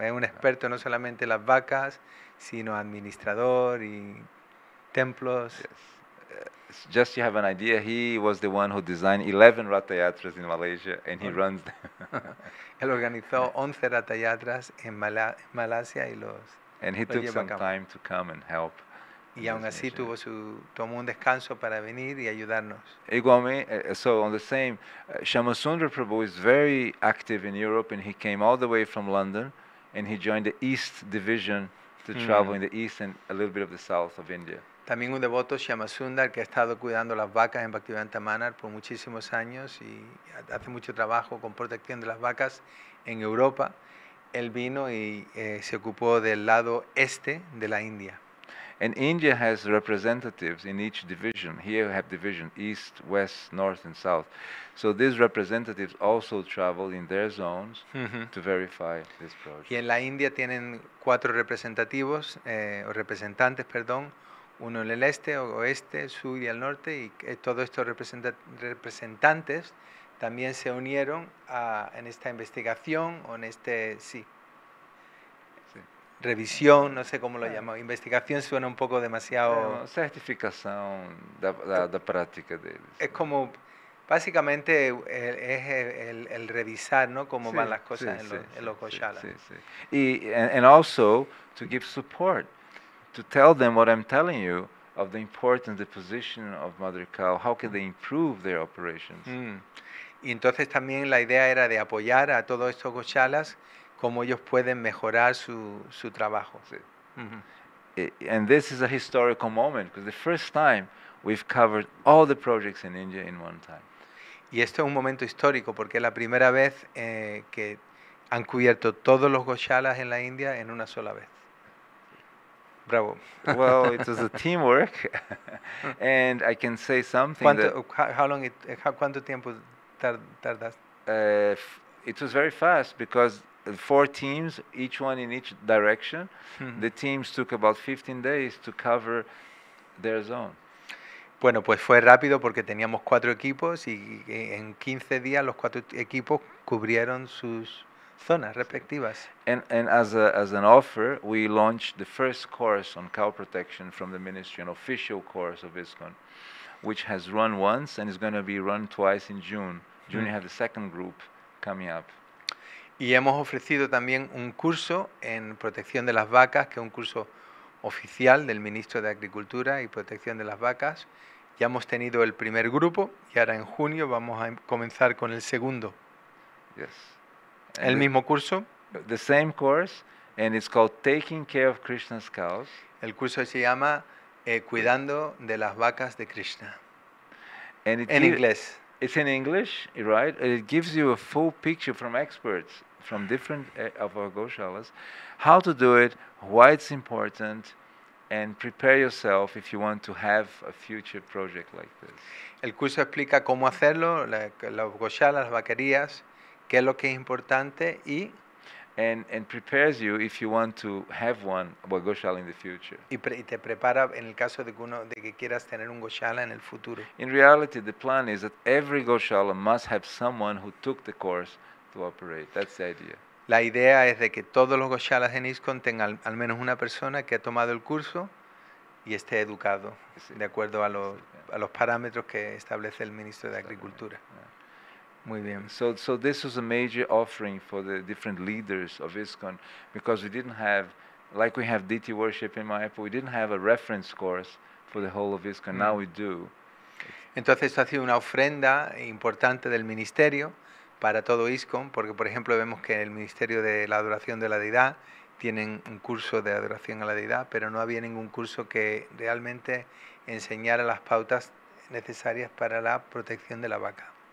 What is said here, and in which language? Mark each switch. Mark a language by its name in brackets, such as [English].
[Spanish] Es un experto no solamente en las vacas, sino administrador y templos. [English] Yes. Just you have an idea, he was the one who designed 11 ratayatras in Malaysia and he runs them. [Spanish] Él organizó 11 ratayatras en Malasia y los [English] And he took some time to come and help. [Spanish] Y aún así tomó un descanso para venir y ayudarnos. Igualmente, [English] so on the same, Shamasundra Prabhu is very active in Europe and he came all the way from London and he joined the East Division to travel in the East and a little bit of the South of India. [Spanish] También un devoto, Shamasundra, que ha estado cuidando las vacas en Bhaktivedanta Manar por muchísimos años y hace mucho trabajo con protección de las vacas en Europa, él vino y se ocupó del lado este de la India. [English] And India has representatives in each division. Here we have division east, west, north, and south. So these representatives also travel in their zones to verify this project. [Spanish] Y en la India tienen cuatro representativos, representantes, uno en el este, oeste, sur y el norte, y todos estos representantes también se unieron en esta investigación o en este sí. Revisión, no sé cómo lo llamo. Investigación suena un poco demasiado. Bueno, certificación de práctica de. Es como, básicamente, es el revisar, ¿no? Cómo van las cosas en los Goshalas. Sí. [English] And also to give support, to tell them what I'm telling you of the importance, the position of Mother Cow, how can they improve their operations. [Spanish] Y entonces también la idea era de apoyar a todos estos Goshalas. Cómo ellos pueden mejorar su trabajo. Sí. [English] And this is a historical moment because the first time we've covered all the projects in India in one time. [Spanish] Y esto es un momento histórico porque es la primera vez que han cubierto todos los Goshalas en la India en una sola vez. Bravo. [English] Well, it was a teamwork, and I can say something. [Spanish] ¿Cuánto tiempo tardaste? [English] It was very fast because four teams, each one in each direction. The teams took about 15 days to cover their zone. [Spanish] Bueno, pues fue rápido porque teníamos cuatro equipos y en 15 días los cuatro equipos cubrieron sus zonas respectivas. [English] And as an offer, we launched the first course on cow protection from the ministry, an official course of ISKCON, which has run once and is going to be run twice in June. June we have the second group coming up. [Spanish] Y hemos ofrecido también un curso en protección de las vacas, que es un curso oficial del ministro de Agricultura y Protección de las Vacas. Ya hemos tenido el primer grupo y ahora en junio vamos a comenzar con el segundo. [English] Yes. And [Spanish] el mismo curso. [English] The same course, and it's called Taking Care of Krishna's Cows. [Spanish] El curso se llama Cuidando de las Vacas de Krishna. [English] And [Spanish] en inglés. [English] It's in English, right? It gives you a full picture from experts from different of our goshalas, how to do it, why it's important, and prepare yourself if you want to have a future project like this. [Spanish] El curso explica cómo hacerlo, las goshalas, las vaquerías, qué es lo que es importante y... [English] And prepares you if you want to have one, well, goshala in the future. [Spanish] Y te prepara en el caso de que uno, de que quieras tener un goshala en el futuro. [English] In reality, the plan is that every goshala must have someone who took the course to operate. That's the idea. [Spanish] La idea es de que todos los goshalas en ISKCON tengan al menos una persona que ha tomado el curso y esté educado, de acuerdo a los parámetros que establece el ministro de Agricultura. Muy bien. [English] So this was a major offering for the different leaders of ISKCON, because we didn't have, like we have DT Worship in Mayapur, we didn't have a reference course for the whole of ISKCON. Now we do. [Spanish] Entonces, esto ha sido una ofrenda importante del ministerio para todo ISKCON, porque, por ejemplo, vemos que el Ministerio de la Adoración de la Deidad tienen un curso de adoración a la Deidad, pero no había ningún curso que realmente enseñara las pautas necesarias para la protección de la vaca.